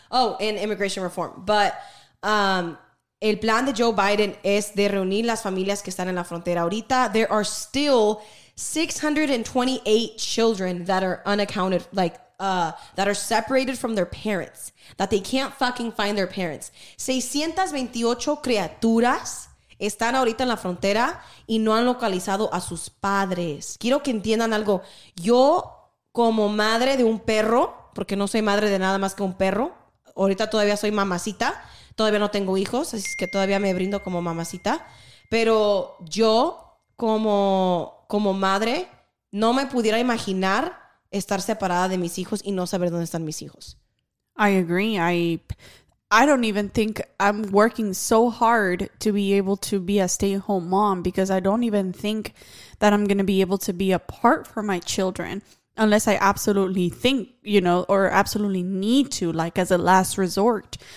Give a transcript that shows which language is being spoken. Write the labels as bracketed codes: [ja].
[en] Oh, and immigration reform. But, [es] el plan de Joe Biden es de reunir las familias que están en la frontera ahorita. [en] There are still 628 children that are unaccounted, that are separated from their parents, that they can't fucking find their parents. [es] 628 criaturas. Están ahorita en la frontera y no han localizado a sus padres. Quiero que entiendan algo. Yo, como madre de un perro, porque no soy madre de nada más que un perro, ahorita todavía soy mamacita, todavía no tengo hijos, así que todavía me brindo como mamacita. Pero yo, como madre, no me pudiera imaginar estar separada de mis hijos y no saber dónde están mis hijos. [en] I agree. I don't even think I'm working so hard to be able to be a stay-at-home mom because I don't even think that I'm going to be able to be apart from my children unless I absolutely think, you know, or absolutely need to, like as a last resort.